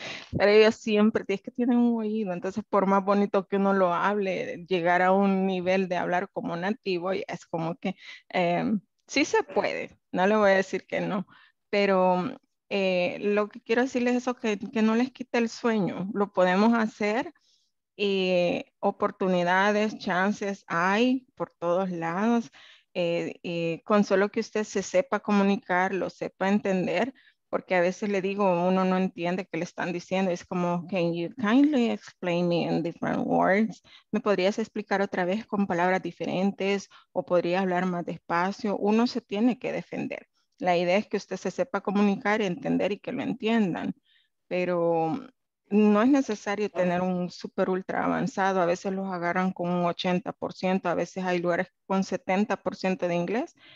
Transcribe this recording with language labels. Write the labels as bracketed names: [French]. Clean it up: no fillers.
[Spanish] Pero ellos siempre, es que tienen un oído, entonces por más bonito que uno lo hable, llegar a un nivel de hablar como nativo, es como que sí se puede, no le voy a decir que no, pero lo que quiero decirles es eso, que no les quite el sueño, lo podemos hacer, oportunidades, chances hay por todos lados, con solo que usted se sepa comunicar, lo sepa entender. Porque a veces le digo, uno no entiende qué le están diciendo. Es como, [English] can you kindly explain me in different words? [Spanish] ¿Me podrías explicar otra vez con palabras diferentes? ¿O podría hablar más despacio? Uno se tiene que defender. La idea es que usted se sepa comunicar y entender y que lo entiendan. Pero no es necesario tener un súper ultra avanzado. A veces los agarran con un 80%. A veces hay lugares con 70% de inglés.